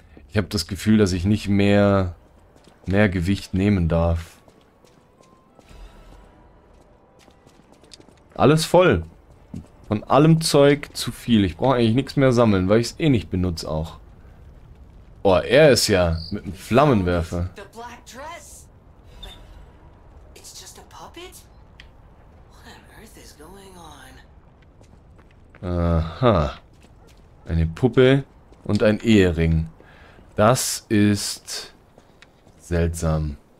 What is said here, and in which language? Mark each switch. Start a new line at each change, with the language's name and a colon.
German: Ich habe das Gefühl, dass ich nicht mehr Gewicht nehmen darf. Alles voll. Von allem Zeug zu viel. Ich brauche eigentlich nichts mehr sammeln, weil ich es eh nicht benutze auch. Oh, er ist ja mit einem Flammenwerfer.
English: The black dress. It's just a puppet? What on earth is going on? Aha.
German: Eine Puppe und ein Ehering. Das ist seltsam.